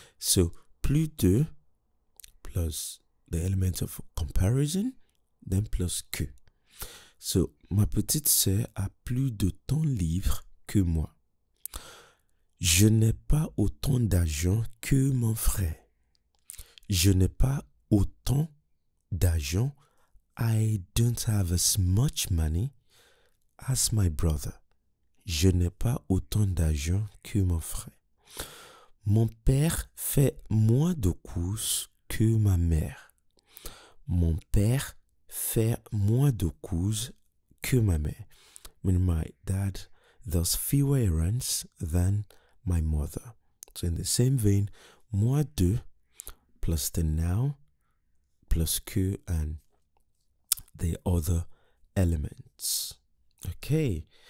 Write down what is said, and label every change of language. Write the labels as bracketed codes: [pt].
[en] So, plus de plus the element of comparison, then plus que. [fr] So, ma petite sœur a plus de temps libre que moi. Je n'ai pas autant d'argent que mon frère. Je n'ai pas autant d'argent. [en] I don't have as much money as my brother. [fr] Je n'ai pas autant d'argent que mon frère. Mon père fait moins de courses que ma mère. Mon père fait moins de courses que ma mère. [en] When my dad does fewer errands than my mother. So in the same vein, moins de plus the noun, plus que, and the other elements. Okay.